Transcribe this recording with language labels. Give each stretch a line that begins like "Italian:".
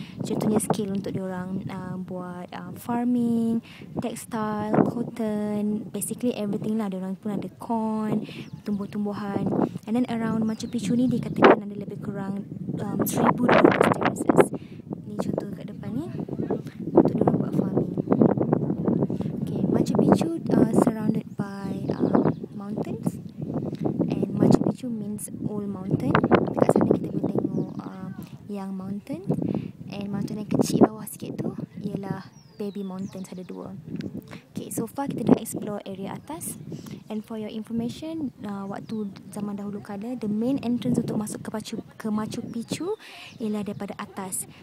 Malay: Contohnya skill untuk diorang buat farming, textile, cotton, basically everything lah. Diorang pun ada corn, tumbuh-tumbuhan. And then around Machu Picchu ni dikatakan ada lebih kurang 1,200 terraces. Ni contoh kat depan ni untuk diorang buat farming.
English: Okay, Machu Picchu surrounded by mountains. And Machu Picchu means old mountain.
Malay: Dekat sana kita boleh tengok yang mountain. And mountain yang kecil bawah sikit tu ialah baby mountains, ada 2. Okay, so far kita dah explore area atas.
English: And for your information,
Malay: waktu zaman dahulu kala, the main entrance untuk masuk ke Machu Picchu ialah daripada atas.